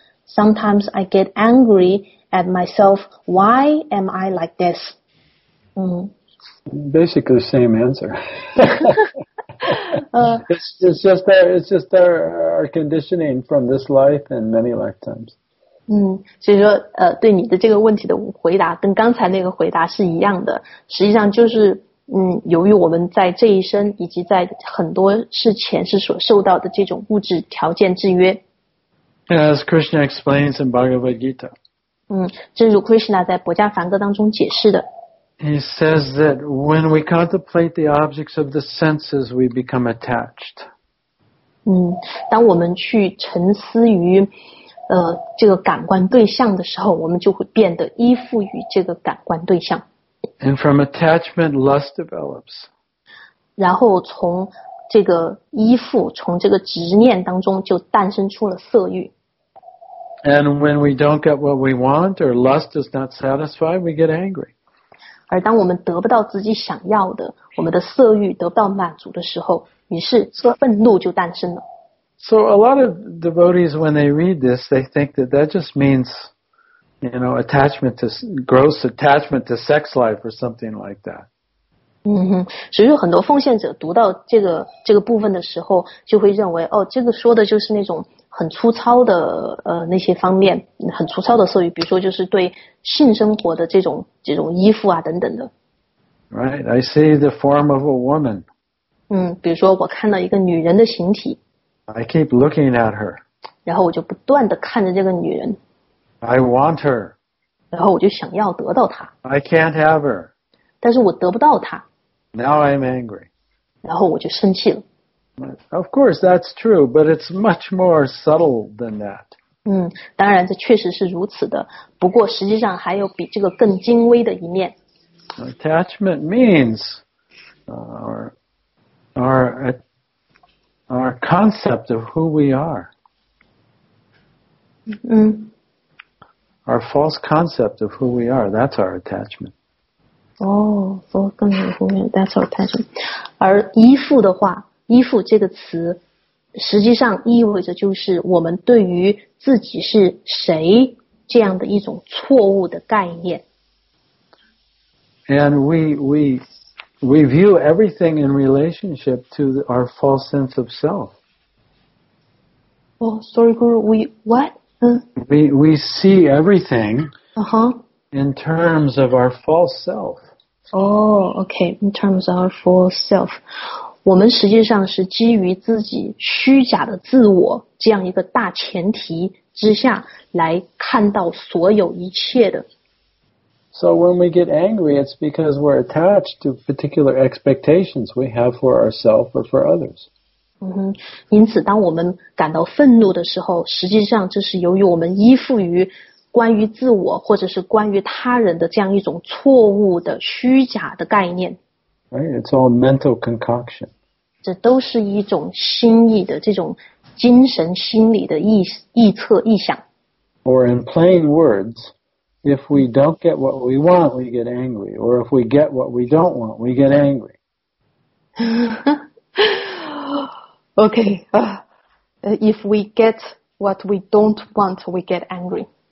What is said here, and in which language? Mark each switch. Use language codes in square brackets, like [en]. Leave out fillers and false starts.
[en] Sometimes I get angry at myself. Why am I like this? Basically same answer. It's just our conditioning from this life and many lifetimes. [zh] 所以说对你的这个问题的回答跟刚才那个回答是一样的，实际上就是由于我们在这一生以及在很多世前世所受到的这种物质条件制约。 [en] As Krishna explains in Bhagavad Gita. [zh] 正如 Krishna 在薄伽梵歌当中解释的。 [en] He says that when we contemplate the objects of the senses, we become attached. [zh] 当我们去沉思于这个感官对象的时候，我们就会变得依附于这个感官对象。 [en] And from attachment, lust develops. [zh] 然后从这个依附，从这个执念当中就诞生出了色欲。 [en] And when we don't get what we want, or lust is not satisfied, we get angry. [zh] 而当我们得不到自己想要的，我们的色欲得不到满足的时候，于是愤怒就诞生了。 [en] So a lot of devotees, when they read this, they think that that just means, you know, attachment to gross attachment to sex life or something like that. [zh] 所以很多奉献者读到这个部分的时候，就会认为，哦，这个说的就是那种很粗糙的那些方面，很粗糙的色欲，比如说就是对性生活的这种依附啊等等的。 [en] Right, I see the form of a woman. [zh] 比如说我看到一个女人的形体。 [en] I keep looking at her. [zh] 然后我就不断的看着这个女人。 [en] I want her. [zh] 然后我就想要得到她。 [en] I can't have her. [zh] 但是我得不到她。 [en] Now I'm angry. [zh] 然后我就生气了。 [en] Of course, that's true, but it's much more subtle than that. [zh] 当然这确实是如此的，不过实际上还有比这个更精微的一面。 [en] Attachment means our concept of who we are. Our false concept of who we are, that's our attachment. That's our attachment. [zh] 而依附的话，依附这个词实际上意味着就是我们对于自己是谁这样的一种错误的概念。 [en] And we view everything in relationship to our false sense of self. Oh, sorry, Guru, we see everything、 uh-huh. in terms of our false self. Oh, okay, in terms of our false self. [zh] 我们实际上是基于自己虚假的自我这样一个大前提之下来看到所有一切的。 [en] So when we get angry, it's because we're attached to particular expectations we have for ourselves or for others. [zh] 因此当我们感到愤怒的时候，实际上这是由于我们依附于关于自我或者是关于他人的这样一种错误的虚假的概念。 [en] Right, it's all mental concoction. [zh] 这都是一种心意的这种精神心理的臆测臆想。 [en] Or in plain words, if we don't get what we want, we get angry. Or if we get what we don't want, we get angry. Okay, if we get what we don't want, we get angry.